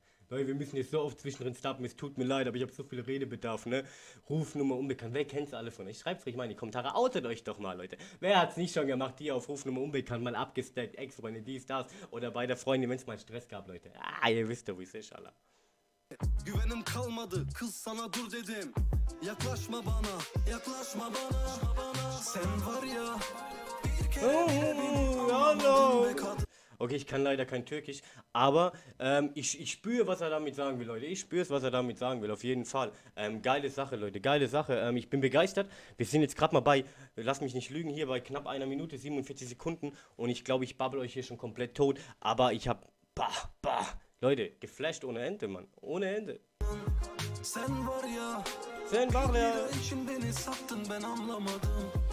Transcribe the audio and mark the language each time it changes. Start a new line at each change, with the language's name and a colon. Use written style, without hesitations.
German: Leute, wir müssen jetzt so oft zwischendrin stoppen, es tut mir leid, aber ich habe so viel Redebedarf, ne? Rufnummer unbekannt, wer kennt's alle von euch? Schreibt's ruhig mal in die Kommentare, outet euch doch mal, Leute. Wer hat's nicht schon gemacht, hier auf Rufnummer unbekannt, mal abgestackt, Ex-Freunde, dies, das, oder bei der Freundin, wenn's mal Stress gab, Leute. Ah, ihr wisst doch, wie es ist, Allah.
Turkish: Güvenim kalmadı, kız sana dur dedim. Yaklaşma bana, yaklaşma bana. Sen var ya, bir kere benim.
German: Okay, ich kann leider kein Türkisch, aber ich spüre, was er damit sagen will, Leute. Ich spüre es, was er damit sagen will, auf jeden Fall. Geile Sache, Leute. Ich bin begeistert. Wir sind jetzt gerade mal bei, lass mich nicht lügen, hier bei knapp einer Minute, 47 Sekunden. Und ich glaube, ich babbel euch hier schon komplett tot. Aber ich habe, Leute, geflasht ohne Ende, Mann. Ohne Ende.
Turkish: Sen var ya. Sen var ya. Bir için beni sattın ben anlamadım.